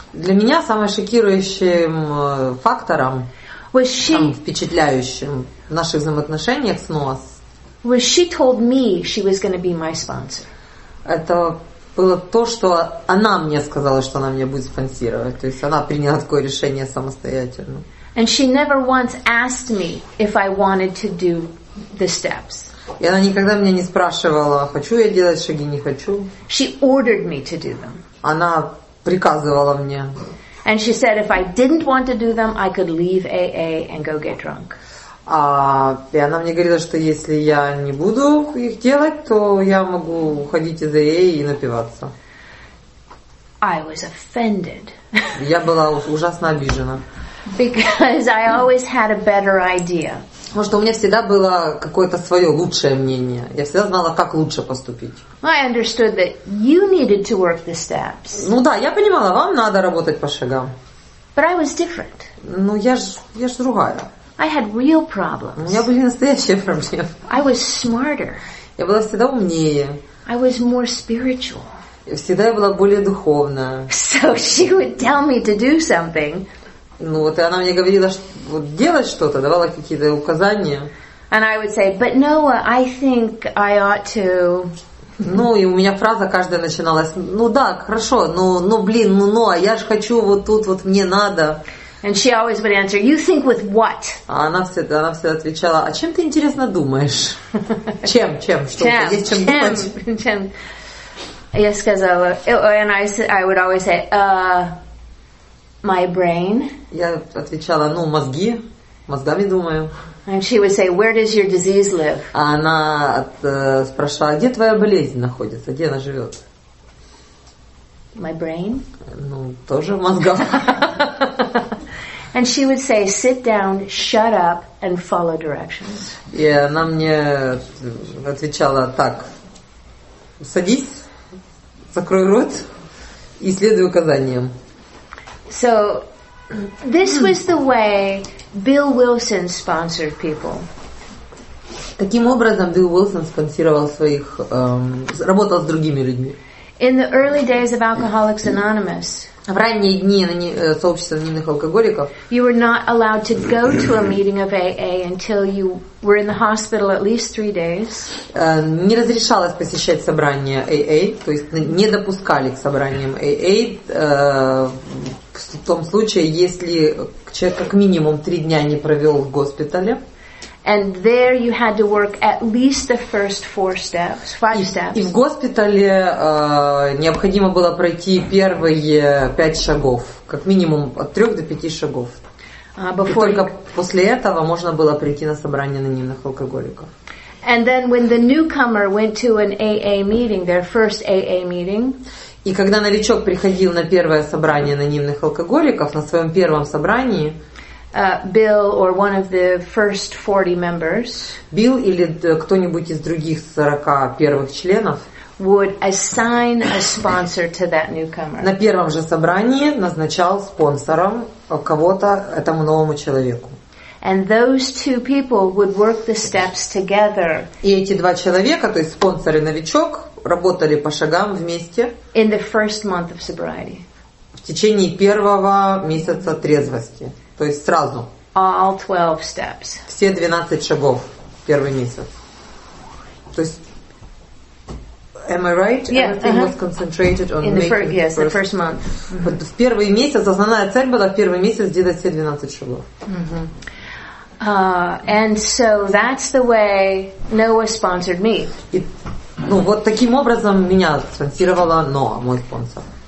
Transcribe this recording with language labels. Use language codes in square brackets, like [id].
[ru] Для меня самым шокирующим фактором. [en] Was she [ru] впечатляющим в наших взаимоотношениях с Ноас? [en] Was she told me she was going to be my sponsor? [ru] Это было то, что она мне сказала, что она меня будет спонсировать. То есть она приняла такое решение самостоятельно. [en] And she never once asked me if I wanted to do the steps. [ru] И она никогда меня не спрашивала, хочу я делать шаги, не хочу. [en] She ordered me to do them. [ru] Она приказывала мне. [en] And she said, if I didn't want to do them, I could leave AA and go get drunk. [ru] И она мне говорила, что если я не буду их делать, то я могу уходить из AA и напиваться. [en] I was offended. [ru] Я была ужасно обижена. [en] Because I always had a better idea. [ru] Потому что у меня всегда было какое-то свое лучшее мнение. Я всегда знала, как лучше поступить. [en] I understood that you needed to work the steps. [ru] Ну да, я понимала, вам надо работать по шагам. [en] But I was different. [ru] Ну я ж другая. [en] I had real problems. [ru] У меня были настоящие проблемы. [en] I was smarter. [ru] Я была всегда умнее. [en] I was more spiritual. [ru] Я всегда была более духовная. [en] So she would tell me to do something. [ru] Ну вот и она мне говорила, что вот делать что-то, давала какие-то указания. [en] And I would say, but Noah, I think I ought to. [ru] Ну и у меня фраза каждая начиналась, ну да, хорошо, но а я ж хочу вот тут, вот мне надо. [en] And she always would answer, you think with what? [ru] А она всегда отвечала, а чем ты, интересно, думаешь? Чем, что-то, есть чем думать? Чем? Я сказала, [en] and I would always say, my brain. [ru] Я отвечала, ну, мозги, мозгами думаю. [en] And she would say, where does your disease live? [ru] А она спрашивала, где твоя болезнь находится, где она живет? [en] My brain. [ru] Ну, тоже в мозгах. [en] And she would say, sit down, shut up, and follow directions. [ru] И она мне отвечала, так, садись, закрой рот и следуй указаниям. [en] So this was the way Bill Wilson sponsored people. [ru] Таким образом Билл Уилсон спонсировал своих, работал с другими людьми. [en] In the early days of Alcoholics Anonymous. [ru] В ранние дни сообщества анонимных алкоголиков. [en] You were not allowed to go to a meeting of AA until you were in the hospital at least 3 days. [ru] Не разрешалось посещать собрания AA, то есть не допускали к собраниям AA в том случае, если человек как минимум 3 дня не провел в госпитале. [en] And there you had to work at least the first 4 steps, 5 steps. [ru] И в госпитале необходимо было пройти первые 5 шагов, как минимум от 3 до 5 шагов. [en] Before [ru] после этого можно было прийти на собрание анонимных алкоголиков. [en] And then when the newcomer went to an AA meeting, their first AA meeting. [ru] И когда новичок приходил на первое собрание анонимных алкоголиков, на своем первом собрании. [en] Bill or one of the first 40 members. [ru] Bill или кто-нибудь из других 40 первых членов. [en] Would assign a sponsor to that newcomer. [ru] На первом же собрании назначал спонсором кого-то этому новому человеку. [en] And those two people would work the steps together. [ru] И эти два человека, то есть спонсор и новичок, работали по шагам вместе. [en] In the first month of sobriety. [ru] В течение первого месяца трезвости. То есть сразу. [en] All 12 steps. [ru] Все 12 шагов первый месяц. То есть, [en] am I right? Yeah, everything was concentrated on making the first month. [ru] Вот в первый месяц, основная цель была в первый месяц сделать все 12 шагов. [en] And so that's the way Noah sponsored me. [ru] И, ну, вот таким образом меня спонсировала Ноа, мой спонсор.